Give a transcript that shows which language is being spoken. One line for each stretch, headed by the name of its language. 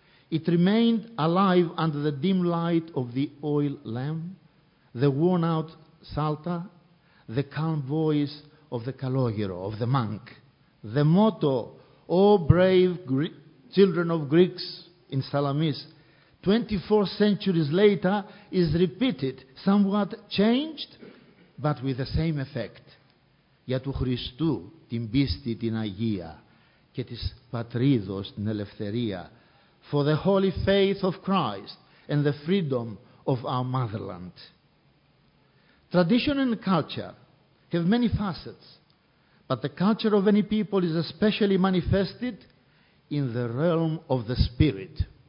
English: It remained alive under the dim light of the oil lamp, the worn-out psalter, the calm voice of the kalogero, of the monk. The motto, O brave children of Greeks in Salamis, 24 centuries later, is repeated, somewhat changed, but with the same effect.
Greek: Για του Χριστού την πίστη την Αγία και της πατρίδος την ελευθερία.
English: For the holy faith of Christ and the freedom of our motherland. Tradition and culture have many facets, but the culture of any people is especially manifested in the realm of the spirit.